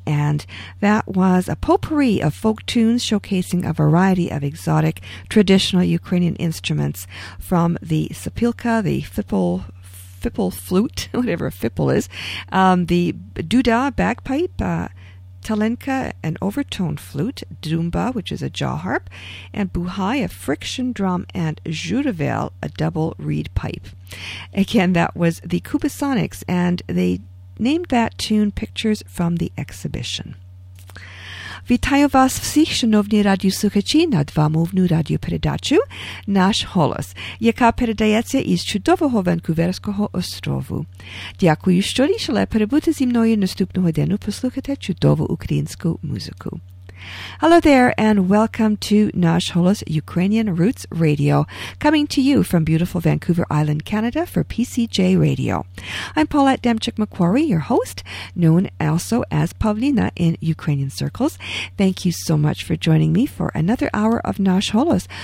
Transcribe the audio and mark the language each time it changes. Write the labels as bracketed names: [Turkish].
[English] And that was a potpourri of folk tunes showcasing a variety of exotic traditional Ukrainian instruments, from the sapilka, the fipple flute, whatever a fipple is, the duda, bagpipe, talenka, an overtone flute, dumba, which is a jaw harp, and buhai, a friction drum, and zhurivel, a double reed pipe. Again, that was the Cubasonics, and they named that tune Pictures from the Exhibition. [Ukrainian] Вітаю вас всіх, шановні радіослухачі, на двомовну радіопередачу «Наш голос», яка передається із чудового Ванкуверського острову. Дякую, що рішили перебути зі мною наступного дня послухати чудову українську музику. [English] Hello there, and welcome to Nash Holos Ukrainian Roots Radio, coming to you from beautiful Vancouver Island, Canada, for PCJ Radio. I'm Paulette Demchuk-Macquarie, your host, known also as Pavlina in Ukrainian circles. Thank you so much for joining me for another hour of Nash Holos.